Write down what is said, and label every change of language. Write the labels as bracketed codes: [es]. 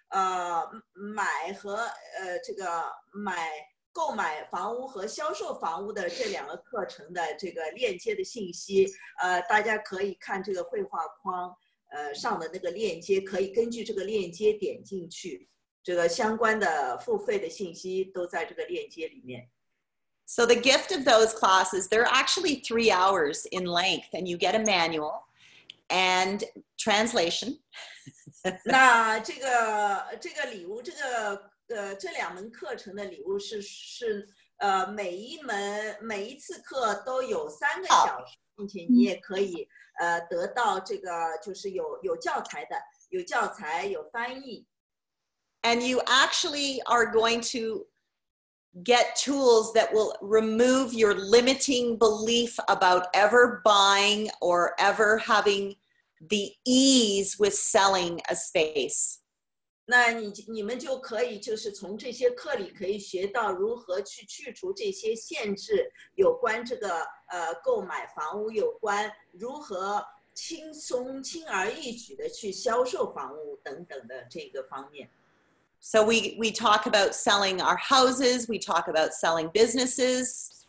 [zh] 买和这个买购买房屋和销售房屋的这两个课程的这个链接的信息，大家可以看这个绘画框，上的那个链接，可以根据这个链接点进去，这个相关的付费的信息都在这个链接里面。 [en] So the gift of those classes, they're actually 3 hours in length, and you get a manual and translation. [zh] 那这个礼物，这个这两门课程的礼物是每一次课都有3个小时，并且你也可以得到这个就是有教材有翻译。 [en] And you actually are going to get tools that will remove your limiting belief about ever buying or ever having the ease with selling a space. [zh] 那你们就可以就是从这些课里可以学到如何去去除这些限制，有关这个购买房屋，有关如何轻松轻而易举的去销售房屋等等的这个方面。 [en] So we talk about selling our houses, we talk about selling businesses.